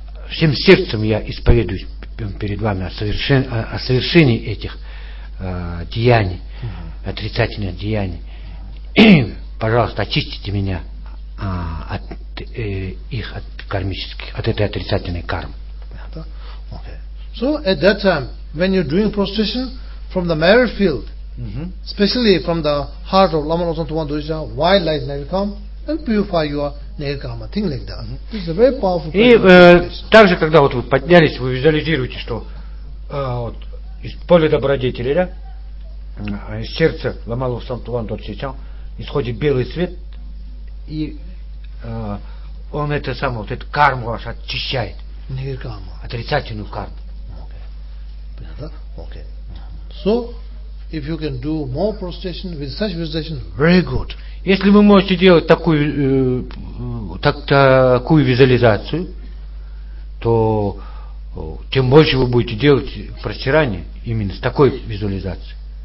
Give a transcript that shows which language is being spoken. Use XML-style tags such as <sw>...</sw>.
<ru>Всем сердцем я исповедуюсь перед вами о совершении этих деяний, отрицательных деяний. Пожалуйста, очистите меня от их от кармических, от этой отрицательной кармы.</ru> <en>So at that time, when you're doing prostration from the merit field, especially from the heart of Lama Lotan Tuvan Dorisha, why light never come and purify your negative karma, thing like that. This is a very powerful.</en> <ru>И также когда вот вы поднялись, вы визуализируете, что вот, из поля добродетели, да, из сердца Лама Лотан Туван Дорисха исходит белый свет и он это самое, вот эту карму ваш очищает.</ru> <en>Нигиркама.</en> <ru>Отрицательную карму.</ru> <en>Okay. So, if you can do more prostration with such visualization, very good.</en> <ru>Если вы можете делать такую такую визуализацию, то тем больше вы будете делать простирание именно с такой визуализацией.</ru>